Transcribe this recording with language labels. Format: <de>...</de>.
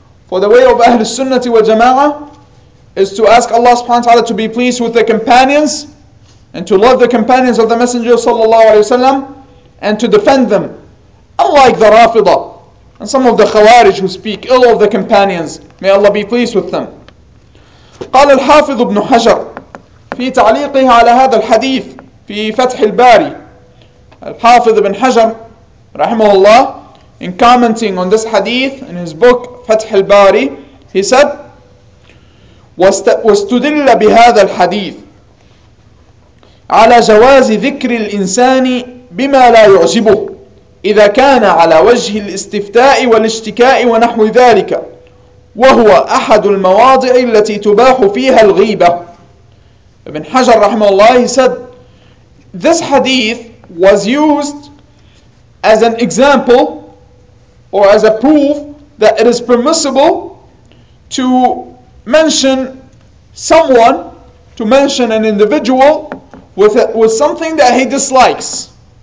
<en>For the way of Ahl Sunnah wa Jama'ah is to ask Allah subhanahu wa ta'ala to be pleased with the companions and to love the companions of the Messenger sallallahu alaihi wasallam and to defend them. Unlike the Rafida and some of the Khawarij who speak ill of the companions, may Allah be pleased with them.</en> <ar>قال الحافظ ابن حجر في تعليقه على هذا الحديث في فتح الباري. الحافظ ابن حجر رحمه الله,</ar> <en>in commenting on this hadith in his book فتح الباري, he said</en> <ar>واستدل بهذا الحديث على جواز ذكر الإنسان بما لا يعجبه إذا كان على وجه الاستفتاء والاشتكاء ونحو ذلك, وهو أحد المواضع التي تباح فيها الغيبة.</ar> <en>Ibn Hajar rahimahullah, he said, this hadith was used as an example or as a proof that it is permissible to mention someone, to mention an individual with something that he dislikes.</en>